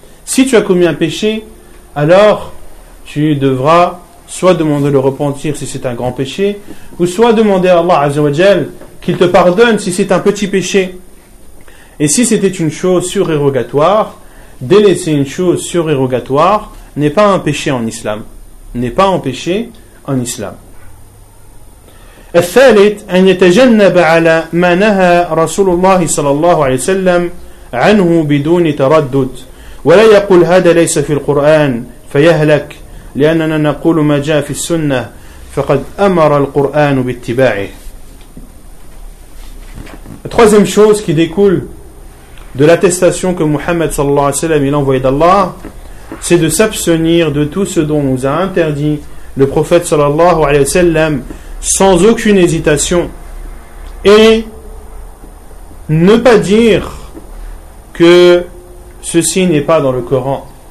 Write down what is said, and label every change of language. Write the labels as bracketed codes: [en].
[fr] Si tu as commis un péché, alors tu devras soit demander le repentir si c'est un grand péché, ou soit demander à Allah Azza wa Jal qu'il te pardonne si c'est un petit péché. Et si c'était une chose surérogatoire, délaisser une chose surérogatoire n'est pas un péché en islam. N'est pas un péché en islam. [ar] الثالث أن يتجنب على ما نهى رسول الله صلى الله عليه وسلم عنه بدون تردد ولا يقول هذا ليس في القرآن فيهلك لأننا نقول ما جاء في السنة فقد أمر القرآن باتباعه. [fr] Troisième chose qui découle de l'attestation que Muhammad sallallahu alayhi wa sallam est l'envoyé d'Allah, c'est de s'abstenir de tout ce dont nous a interdit le prophète sallallahu alayhi wa sallam sans aucune hésitation, et ne pas dire que ceci n'est pas dans le Coran.